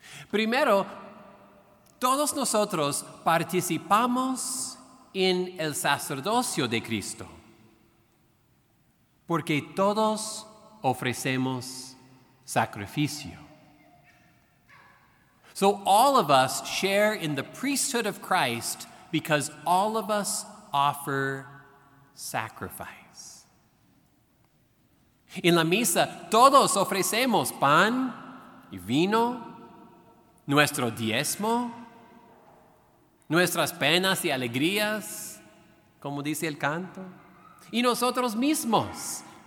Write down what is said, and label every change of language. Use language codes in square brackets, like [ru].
[es] Primero, todos nosotros participamos en el sacerdocio de Cristo, porque todos ofrecemos sacrificio. [en] So all of us share in the priesthood of Christ because all of us offer sacrifice. [es] En la misa, todos ofrecemos pan y vino, nuestro diezmo, nuestras penas y alegrías, como dice el canto, y nosotros mismos.